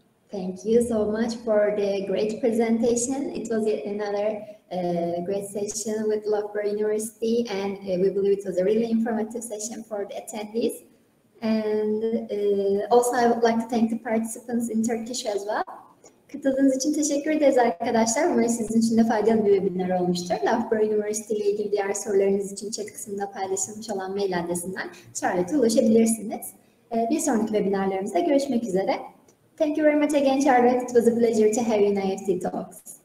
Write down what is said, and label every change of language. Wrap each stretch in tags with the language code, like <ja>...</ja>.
<en>Thank you so much for the great presentation. It was yet another great session with Loughborough University, and we believe it was a really informative session for the attendees. And also I would like to thank the participants in Turkish as well.</en> <tr>Katıldığınız için teşekkür ederiz arkadaşlar. Umarım sizin için de faydalı bir webinar olmuştur. Loughborough University ile ilgili diğer sorularınız için chat kısmında paylaşılmış olan mail adresinden Charlotte'a ulaşabilirsiniz. Bir sonraki webinarlarımızda görüşmek üzere.</tr> <en>Thank you very much again, Charlotte. It was a pleasure to have you in IEFT Talks.</en>